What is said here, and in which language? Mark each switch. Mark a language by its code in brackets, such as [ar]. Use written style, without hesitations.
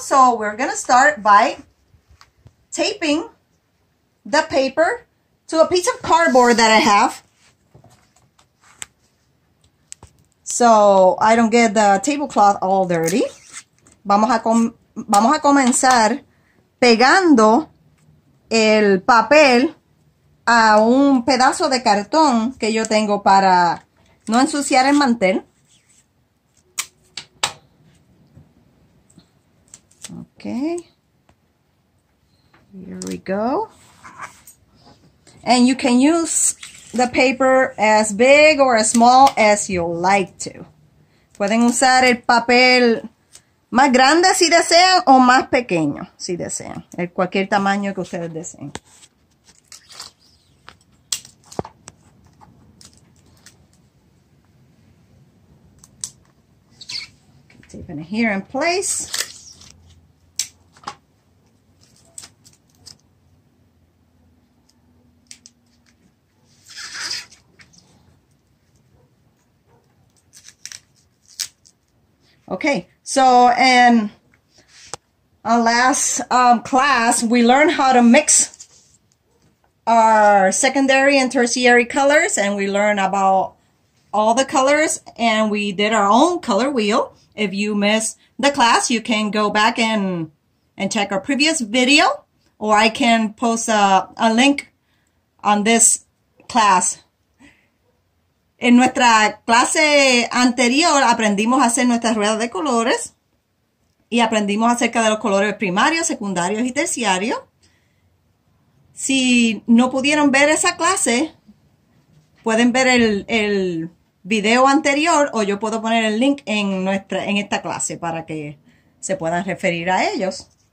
[en] So, we're gonna start by taping the paper to a piece of cardboard that I have. So, I don't get the tablecloth all dirty. [es] Vamos a comenzar pegando el papel a un pedazo de cartón que yo tengo para no ensuciar el mantel. [en] Okay. Here we go. And you can use the paper as big or as small as you like to. [es] Pueden usar el papel más grande si desean o más pequeño si desean. El cualquier tamaño que ustedes deseen. [en] Tape it here in place. Okay. So, in our last class, we learned how to mix our secondary and tertiary colors, and we learned about all the colors, and we did our own color wheel. If you missed the class, you can go back and check our previous video, or I can post a link on this class. [es] En nuestra clase anterior, aprendimos a hacer nuestras ruedas de colores. Y aprendimos acerca de los colores primarios, secundarios y terciarios. Si no pudieron ver esa clase, pueden ver el video anterior o yo puedo poner el link en esta clase para que se puedan referir a ellos.